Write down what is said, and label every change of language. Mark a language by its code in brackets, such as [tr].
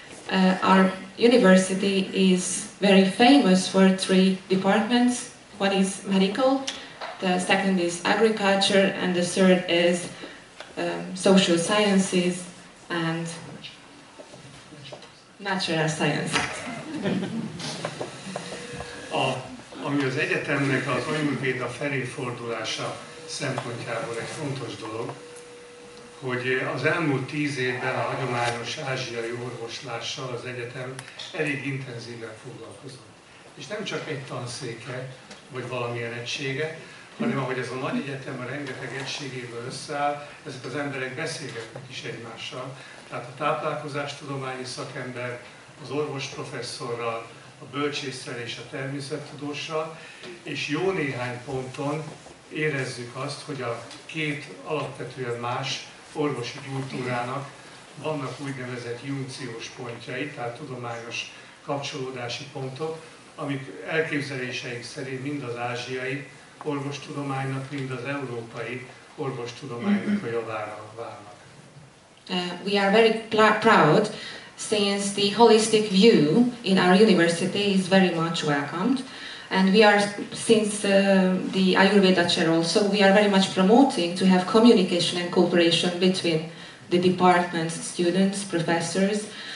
[en] Our university is very famous for three departments. One is medical, the second is agriculture, and the third is social sciences and natural science. [hu] Ami az egyetemnek az Ayurveda felé fordulása szempontjából egy fontos dolog, hogy az elmúlt 10 évben a hagyományos ázsiai orvoslással az egyetem elég intenzíven foglalkozott. És nem csak egy tanszéke, vagy valamilyen egysége, hanem ahogy ez a nagy egyetem a rengeteg egységéből összeáll, ezek az emberek beszélgetnek is egymással. Tehát a táplálkozástudományi szakember, az orvosprofesszorral, a bölcsésszel és a természettudóssal, és jó néhány ponton érezzük azt, hogy a két alapvetően más orvosi kultúrának vannak úgynevezett junkciós pontjai, tehát tudományos kapcsolódási pontok, amik elképzeléseink szerint mind az ázsiai orvostudománynak, mind az európai orvostudománynak a javára válnak. [en] We are very proud since the holistic view in our university is very much welcomed. And we are, since the Ayurveda chair also, we are very much promoting to have communication and cooperation between the department's students, professors.